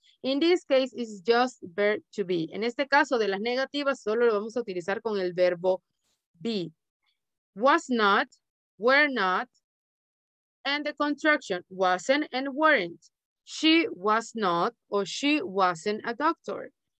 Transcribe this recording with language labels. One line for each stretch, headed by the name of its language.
English: In this case, it's just verb to be.
Spanish: En este caso de las negativas, solo lo vamos a utilizar con el verbo be.
English: Was not, were not, and the contraction wasn't and weren't. She was not or she wasn't a doctor.